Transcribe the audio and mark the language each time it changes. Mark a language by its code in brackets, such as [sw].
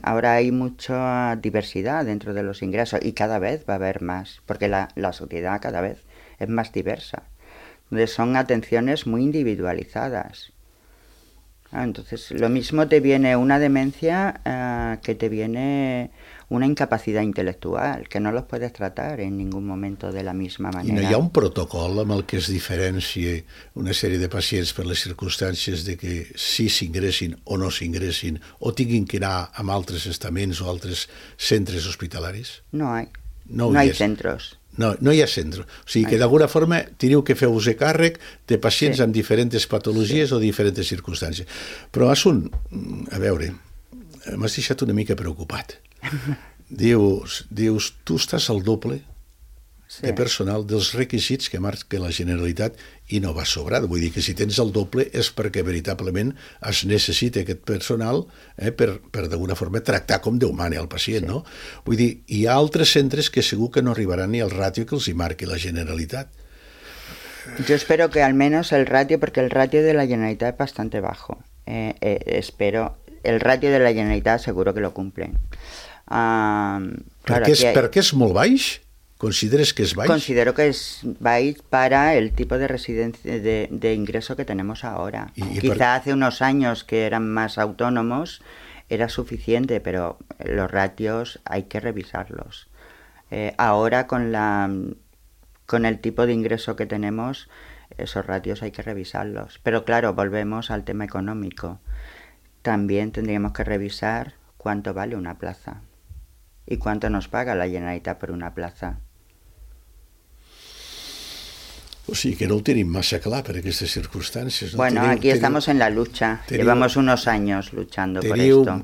[es] Ahora hay mucha diversidad dentro de los ingresos y cada vez va a haber más, porque la sociedad cada vez es más diversa. Entonces son atenciones muy individualizadas. Entonces lo mismo te viene una demencia que te viene una incapacidad intelectual, que no los puedes tratar en ningún momento de la misma manera. [ca] I no hi ha un protocol amb el que es diferencia una sèrie de pacients per les circumstàncies de que sí s'ingressin o no s'ingressin o tinguin que anar a altres estaments o altres centres hospitalaris? No hi ha. No hi ha centres. No hi ha centres. O sigui que d'alguna forma teniu que fer-vos càrrec de pacients, sí, amb diferents patologies, sí, o diferents circumstàncies. Però, Asun, a veure, m'has deixat una mica preocupat. Dius, tu estàs al doble de personal dels requisits que marca la Generalitat i no va sobrat. Vull dir que si tens el doble és perquè veritablement es necessita aquest personal per d'alguna forma tractar com Déu mani el pacient, sí. No? Vull dir, hi ha altres centres que segur que no arribaran ni al ràtio que els hi marqui la Generalitat. Jo espero que almenys el ràtio, perquè el ràtio de la Generalitat és bastant bajo. [es] Espero el ràtio de la Generalitat seguro que lo cumplen. [ca] Perquè és molt baix? ¿Consideres que es baix? [es] Considero que es baix para el tipo de residencia de ingreso que tenemos ahora. Quizá hace unos años que eran más autónomos era suficiente, pero los ratios hay que revisarlos. Ahora con el tipo de ingreso que tenemos, esos ratios hay que revisarlos. Pero claro, volvemos al tema económico. También tendríamos que revisar cuánto vale una plaza y cuánto nos paga la Generalitat por una plaza. [ca] O sigui que no ho tenim massa clar per aquestes circumstàncies. No? [es] Bueno, estamos en la lucha. Llevamos unos años luchando por esto.